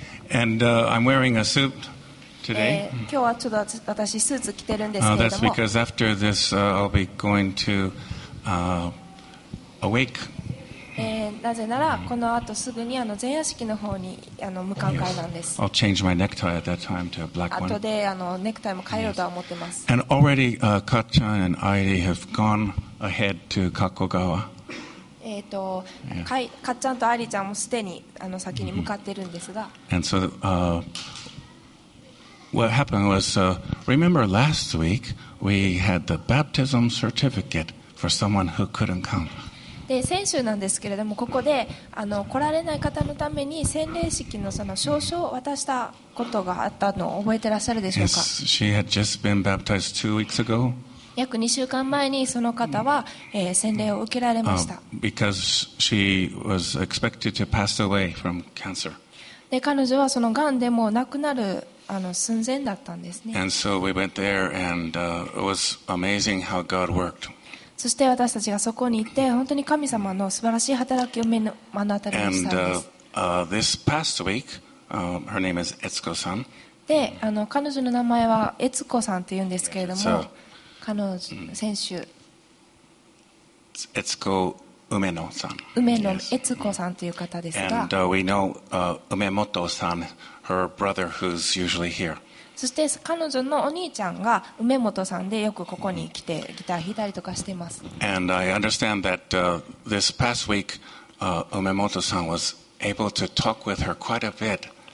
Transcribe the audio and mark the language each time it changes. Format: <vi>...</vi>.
<en>And、I'm wearing a suit today.、</en> <ja>今日はちょっと私スーツ着てるんですけども。</ja> <en>That's because after this,、I'll be going to、awake.、</en> <ja>なぜならこの後すぐに前夜式の方に向かう会なんです。</ja> <en>Yes. I'll change my necktie at that time to a black one.</en> <ja>後でネクタイも変えようとは思ってます。</ja> <en>Yes. And already,、Kat-chan and Heidi have gone ahead to Kakogawa.</en> <ja>かっちゃんとアリちゃんもすでに先に向かってるんですが、 mm-hmm.</ja> <en>And so, what happened was, remember last week we had the baptism certificate for someone who couldn't come.</en> <ja>で先週なんですけれどもここで来られない方のために洗礼式のその証書を渡したことがあったのを覚えてらっしゃるでしょうか。</ja> <en>Yes, she had just been baptized 2 weeks ago.</en> <ja>約2週間前にその方は、洗礼を受けられました。</ja> <en>Because she was expected to pass away from cancer.</en> <ja>で彼女はそのがんでも亡くなる寸前だったんですね。</ja> <en>And so we went there and, it was amazing how God worked.</en> <ja>そして私たちがそこに行って本当に神様の素晴らしい働きを目の当たりにしたんです。</ja> <en>And, this past week, her name is Etsuko-san.</en> <ja>で彼女の名前は悦子さんというんですけれども、</ja> <en>so,</en> <ja>先週、悦子梅野さん、梅野悦子さんという方ですが、</ja> <en>and, we know, 梅本さん、her brother who's usually here。</en> <ja>そして彼女のお兄ちゃんが梅本さんでよくここに来てギター弾いたりとかしてます。</ja> <en>And I understand that, this past week, 梅本さん was able to talk with her quite a bit.</en>